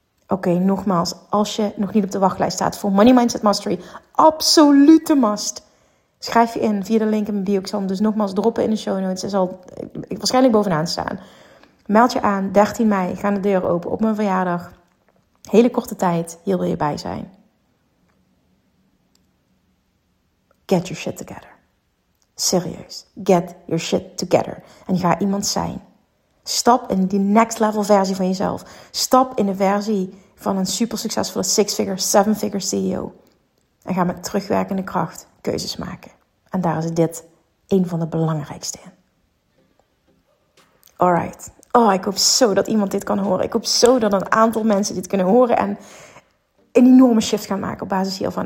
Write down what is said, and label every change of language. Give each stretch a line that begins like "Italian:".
Dutch: Oké, nogmaals, als je nog niet op de wachtlijst staat voor Money Mindset Mastery, absolute must. Schrijf je in via de link in mijn bio. Ik zal hem dus nogmaals droppen in de show notes. Hij zal waarschijnlijk bovenaan staan. Meld je aan, 13 mei, gaan de deuren open op mijn verjaardag. Hele korte tijd, hier wil je bij zijn.
English: Get your shit together.
Dutch: Serieus,
English: get your shit together.
Dutch: En ga iemand zijn. Stap in die next level versie van jezelf. Stap in de versie van een super succesvolle six-figure, seven-figure CEO. En ga met terugwerkende kracht keuzes maken. En daar is dit een van de belangrijkste in. Alright. Oh, ik hoop zo dat iemand dit kan horen. Ik hoop zo dat een aantal mensen dit kunnen horen en een enorme shift gaan maken op basis hiervan.